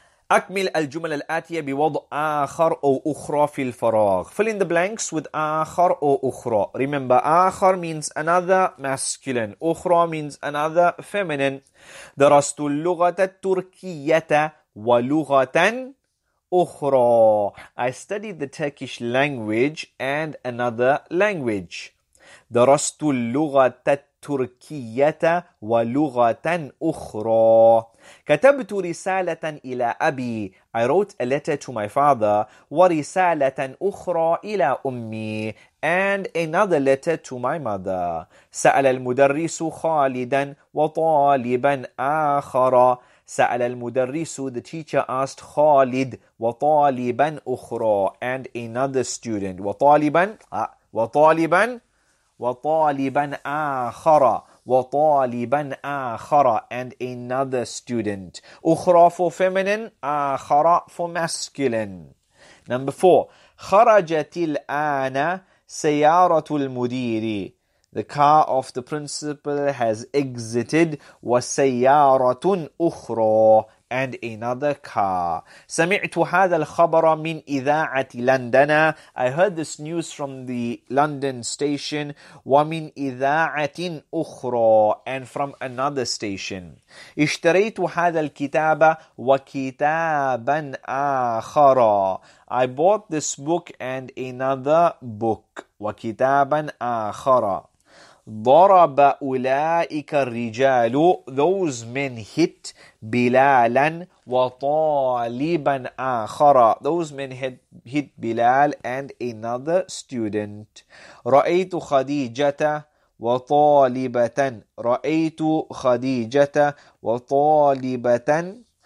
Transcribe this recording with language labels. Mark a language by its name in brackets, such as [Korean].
[Arabic] أكمل الجمل الآتية بوضع آخر أو أخرى في الفراغ. [English] Fill in the blanks with آخر أو أخرى. Remember, آخر means another masculine. أخرى means another feminine. [Arabic] درست اللغة التركية ولغة أخرى. [English] I studied the Turkish language and another language. [Arabic] درست اللغة التركية ولغة أخرى. كتبت رسالة إلى أبي. [English] I wrote a letter to my father. [Arabic] ورسالة أخرى إلى أمي. [English] And another letter to my mother. [Arabic] سأل المدرس خالدا وطالبا آخر. سأل المدرس. [English] The teacher asked [Arabic] خالد وطالبا أخرى. [English] And another student. [Arabic] وطالبا. وطالبا. وطالبا آخر. وطالبا آخر. [English] And another student. أخرى for feminine. آخر for masculine. Number 4. [Arabic] خرجت الآن سيارة المدير. [English] The car of the principal has exited. [Arabic] وسيارة أخرى. [English] and another car. [Arabic] سمعت هذا الخبر من إذاعة لندن. [English] I heard this news from the London station. [Arabic] ومن إذاعة أخرى [English] and from another station. [Arabic] اشتريت هذا الكتاب وكتابا آخر. [English] I bought this book and another book. [Arabic] وكتابا آخر. ضرب أولئك الرجال [English] those men hit [Arabic] بلالا وطالبا آخر [English] those men hit [Arabic] بلال [English] and another student [Arabic] رأيت خديجة وطالبة رأيت خديجة وطالبة